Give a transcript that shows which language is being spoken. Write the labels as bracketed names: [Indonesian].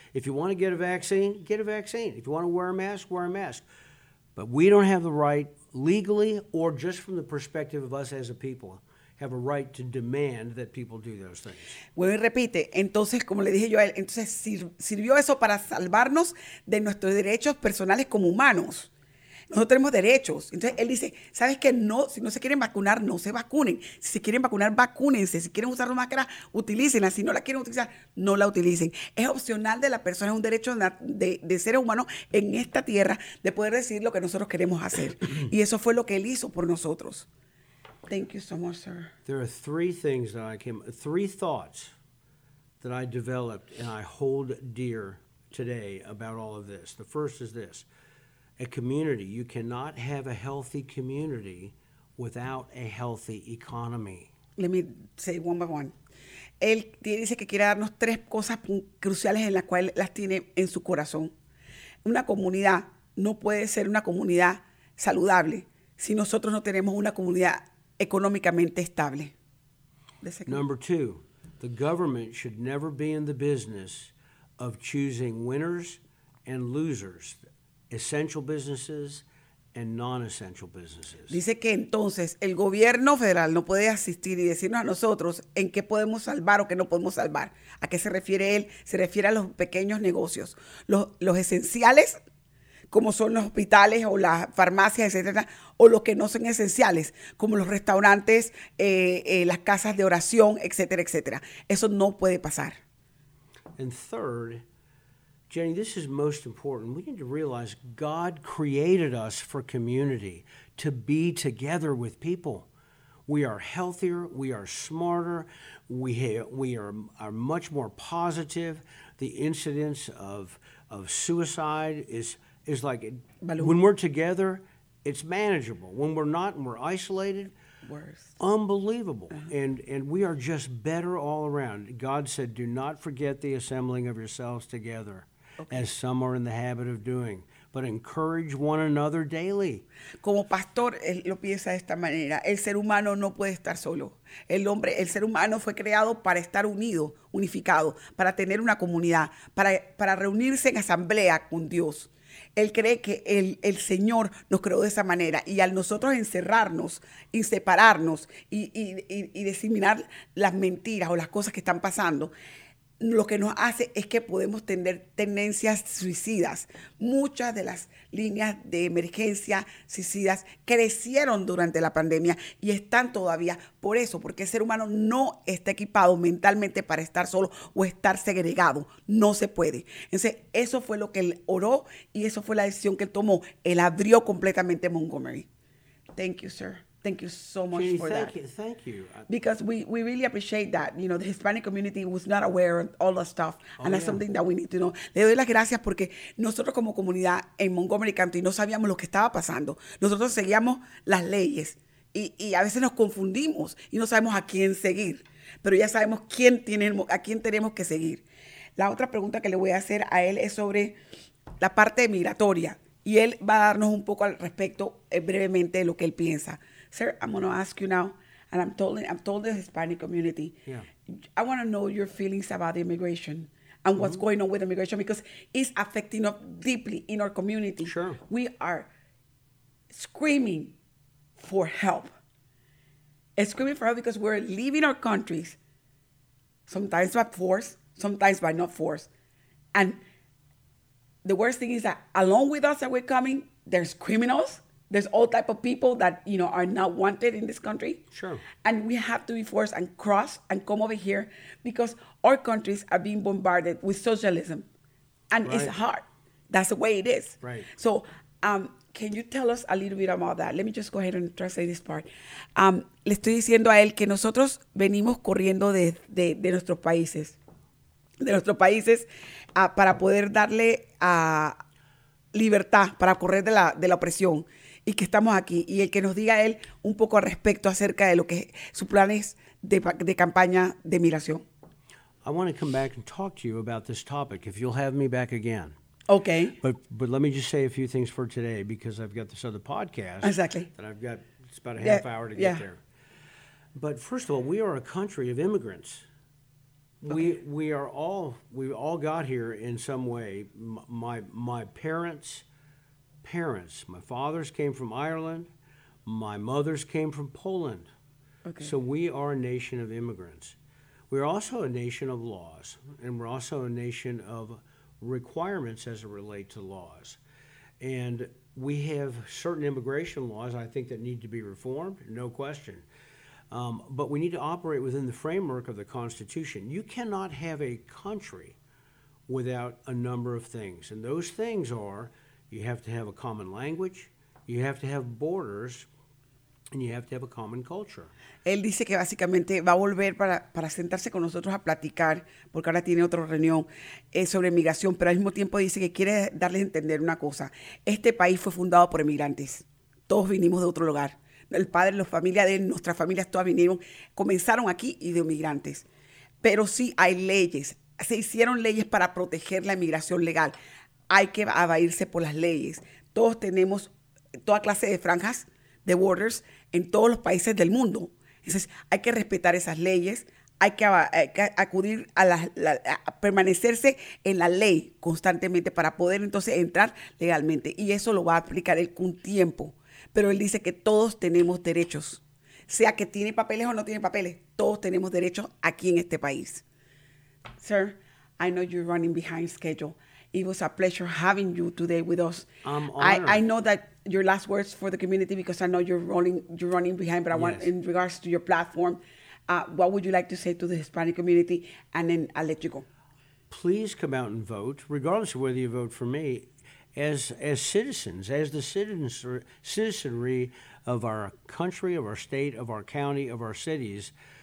[English] If you want to get a vaccine, get a vaccine. If you want to wear a mask, wear a mask. But we don't have the right, legally or just from the perspective of us as a people, have a right to demand that people do those things. [Spanish] Bueno, y repite. Entonces, como le dije yo a él, entonces sirvió eso para salvarnos de nuestros derechos personales como humanos. Nosotros tenemos derechos. Entonces, él dice, ¿sabes qué? No, si no se quieren vacunar, no se vacunen. Si se quieren vacunar, vacúnense. Si quieren usar la máscara, utilícenla. Si no la quieren utilizar, no la utilicen. Es opcional de la persona, es un derecho de ser humano en esta tierra de poder decir lo que nosotros queremos hacer. Y eso fue lo que él hizo por nosotros. [English] Thank you so much, sir. There are three thoughts that I developed and I hold dear today about all of this. The first is this. A community. You cannot have a healthy community without a healthy economy. Let me say one by one. [Spanish] Él dice que quiere darnos tres cosas cruciales en las cuales las tiene en su corazón. Una comunidad no puede ser una comunidad saludable si nosotros no tenemos una comunidad económicamente estable. [English] Number two, the government should never be in the business of choosing winners and losers. Essential businesses and non-essential businesses. [Spanish] Dice que entonces el gobierno federal no puede asistir y decirnos a nosotros en qué podemos salvar o qué no podemos salvar. ¿A qué se refiere él? Se refiere a los pequeños negocios. Los esenciales, como son los hospitales o las farmacias, etcétera, o los que no son esenciales, como los restaurantes, las casas de oración, etcétera, etcétera. Eso no puede pasar. [English] And third, Jenny, this is most important. We need to realize God created us for community, to be together with people. We are healthier. We are smarter. We are much more positive. The incidence of suicide is like, when we're together, it's manageable. When we're not and we're isolated, worse. Unbelievable. Uh-huh. And we are just better all around. God said, do not forget the assembling of yourselves together. Okay. As some are in the habit of doing, but encourage one another daily. [Spanish] Como pastor, él lo piensa de esta manera. El ser humano no puede estar solo. El ser humano fue creado para estar unido, unificado, para tener una comunidad, para reunirse en asamblea con Dios. Él cree que el Señor nos creó de esa manera. Y al nosotros encerrarnos y separarnos y diseminar las mentiras o las cosas que están pasando, lo que nos hace es que podemos tener tendencias suicidas. Muchas de las líneas de emergencia suicidas crecieron durante la pandemia y están todavía por eso, porque el ser humano no está equipado mentalmente para estar solo o estar segregado. No se puede. Entonces, eso fue lo que él oró y eso fue la decisión que él tomó. Él abrió completamente Montgomery. [English] Thank you, sir. Thank you so much for that. Thank you. Because we really appreciate that. You know, the Hispanic community was not aware of all the stuff. That's something that we need to know. [Spanish] Le doy las gracias porque nosotros como comunidad en Montgomery County no sabíamos lo que estaba pasando. Nosotros seguíamos las leyes. Y a veces nos confundimos y no sabemos a quién seguir. Pero ya sabemos a quién tenemos que seguir. La otra pregunta que le voy a hacer a él es sobre la parte migratoria. Y él va a darnos un poco al respecto brevemente de lo que él piensa. [English] Sir, I'm going to ask you now, and I'm told the Hispanic community, yeah. I want to know your feelings about the immigration and what's going on with immigration, because it's affecting us deeply in our community. Sure. We are screaming for help. It's screaming for help because we're leaving our countries, sometimes by force, sometimes by not force. And the worst thing is that along with us that we're coming, there's criminals. There's all type of people that, you know, are not wanted in this country. Sure. And we have to be forced and cross and come over here because our countries are being bombarded with socialism. And right. It's hard. That's the way it is. Right. So can you tell us a little bit about that? Let me just go ahead and translate this part. [Spanish] Le estoy diciendo a él que nosotros venimos corriendo de nuestros países. De nuestros países para poder darle libertad, para correr de la opresión. Y que estamos aquí. Y el que nos diga él un poco al respecto acerca de lo que su plan es de campaña de migración. [English] I want to come back and talk to you about this topic, if you'll have me back again. Okay. But let me just say a few things for today, because I've got this other podcast. Exactly. That I've got, it's about a half hour to get there. But first of all, we are a country of immigrants. Okay. We all got here in some way. My parents, my father's came from Ireland, my mother's came from Poland. Okay. So we are a nation of immigrants. We're also a nation of laws, and we're also a nation of requirements as it relate to laws. And we have certain immigration laws, I think, that need to be reformed, no question. But we need to operate within the framework of the Constitution. You cannot have a country without a number of things, and those things are: you have to have a common language, you have to have borders, and you have to have a common culture. [Spanish] Él dice que básicamente va a volver para sentarse con nosotros a platicar, porque ahora tiene otra reunión sobre migración, pero al mismo tiempo dice que quiere darles a entender una cosa. Este país fue fundado por emigrantes. Todos vinimos de otro lugar. El padre, la familia de él, nuestras familias todas vinieron, comenzaron aquí y de emigrantes. Pero sí hay leyes. Se hicieron leyes para proteger la emigración legal. Hay que abaírse por las leyes. Todos tenemos toda clase de franjas, de borders, en todos los países del mundo. Entonces, hay que respetar esas leyes. Hay que acudir a permanecerse en la ley constantemente para poder entonces entrar legalmente. Y eso lo va a aplicar él con tiempo. Pero él dice que todos tenemos derechos. Sea que tiene papeles o no tiene papeles, todos tenemos derechos aquí en este país. [English] Sir, I know you're running behind schedule. It was a pleasure having you today with us. I'm honored. I know that your last words for the community, because I know you're running behind, but I want, in regards to your platform, what would you like to say to the Hispanic community? And then I'll let you go. please come out and vote, regardless of whether you vote for me, as citizens, as the citizenry of our country, of our state, of our county, of our cities.